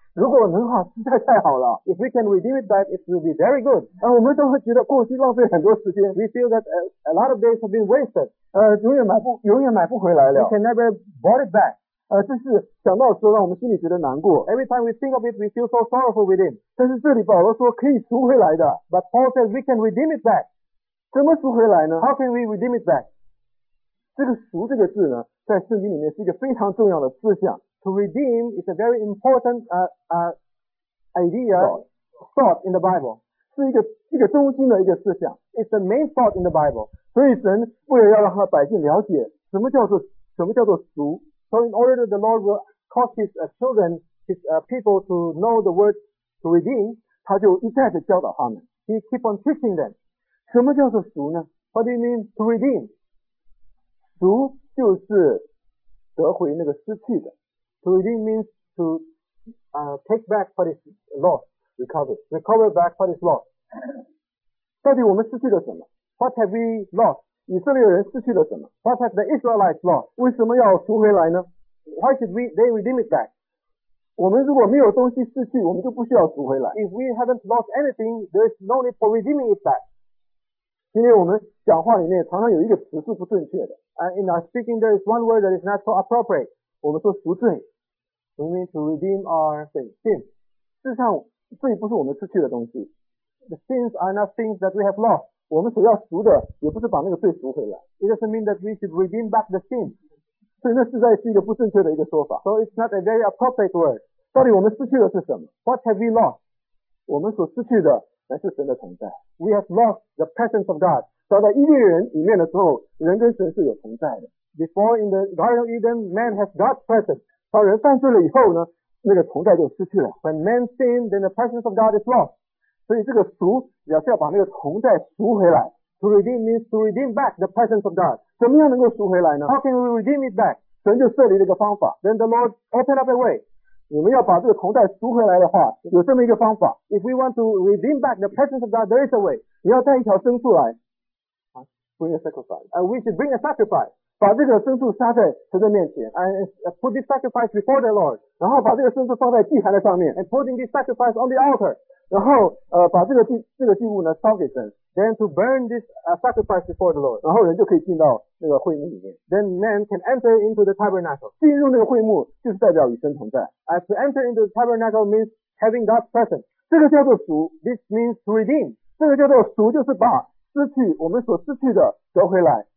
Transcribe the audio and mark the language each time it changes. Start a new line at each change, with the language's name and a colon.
Chinese: 如果能好，实在太好了。
English: If we can redeem it back, it will be very good.
Chinese: 我们都会觉得过去浪费很多时间。
English: We feel that a lot of days have been wasted.
Chinese: 永远买不回来了。
English: We can never bought it back.
Chinese: 这是想到的时候让我们心里觉得难过。
English: Every time we think of it, we feel so sorrowful within.
Chinese: 但是这里保罗说可以赎回来的。
English: But Paul says we can redeem it back.
Chinese: 怎么赎回来呢？
English: How can we redeem it back?
Chinese: 这个赎这个字呢，在圣经里面是一个非常重要的思想。
English: To redeem is a very important idea thought in the Bible.
Chinese: 是一个中心的一个思想。
English: It's the main thought in the Bible.
Chinese: 所以神为了要让他百姓了解什么叫做赎。
English: So in order that the Lord will cause his children, his people to know the word to redeem,
Chinese: 他就一再的教导他们。
English: He keep on teaching them.
Chinese: 什么叫做赎呢？
English: What do you mean to redeem?
Chinese: 赎就是得回那个失去的。
English: To redeem means to take back what is lost, recover back what is lost.
Chinese: 到底我们失去了什么？
English: What have we lost?
Chinese: 以色列人失去了什么？
English: What have the Israelites lost?
Chinese: 为什么要赎回来呢？
English: Why should they redeem it back?
Chinese: 我们如果没有东西失去，我们就不需要赎回来。
English: If we haven't lost anything, there is no need for redeeming it back.
Chinese: 今天我们讲话里面常常有一个词是不正确的。
English: In our speaking, there is one word that is not so appropriate.
Chinese: 我们说赎罪
English: ，we mean to redeem our sin.
Chinese: 事实上，罪不是我们失去的东西
English: ，the sins are not things that we have lost.
Chinese: 我们所要赎的，也不是把那个罪赎回来
English: ，it doesn't mean that we should redeem back the sin.
Chinese: 所以那实在是一个不正确的一个说法
English: ，so it's not a very appropriate word.
Chinese: 到底我们失去的是什么
English: ？What have we lost?
Chinese: 我们所失去的乃是神的同在
English: ，we have lost the presence of God.
Chinese: 到在伊甸园里面的时候，人跟神是有同在的。
English: Before in the Garden of Eden, man has God's presence.
Chinese: 当人犯罪了以后呢，那个同在就失去了。
English: When man sinned, then the presence of God is lost.
Chinese: 所以这个赎，表示要把那个同在赎回来。
English: To redeem means to redeem back the presence of God.
Chinese: 怎么样能够赎回来呢？
English: How can we redeem it back?
Chinese: 神就设立了一个方法。
English: Then the Lord opened up a way.
Chinese: 你们要把这个同在赎回来的话，有这么一个方法。
English: If we want to redeem back the presence of God, there is a way.
Chinese: 你要带一条牲畜来。
English: Bring a sacrifice. We should bring a sacrifice.
Chinese: 把这个牲畜杀在神的面前
English: ，and put this sacrifice before the Lord，
Chinese: 然后把这个牲畜放在祭坛的上面
English: ，and putting this sacrifice on the altar，
Chinese: 然后把这个祭物呢烧给神
English: ，then to burn this sacrifice before the Lord，
Chinese: 然后人就可以进到那个会幕里面
English: ，then man can enter into the tabernacle，
Chinese: 进入那个会幕就是代表与神同在
English: ，as to enter into the tabernacle means having God's presence，
Chinese: 这个叫做赎
English: ，this means to redeem，
Chinese: 这个叫做赎就是把失去我们所失去的得回来。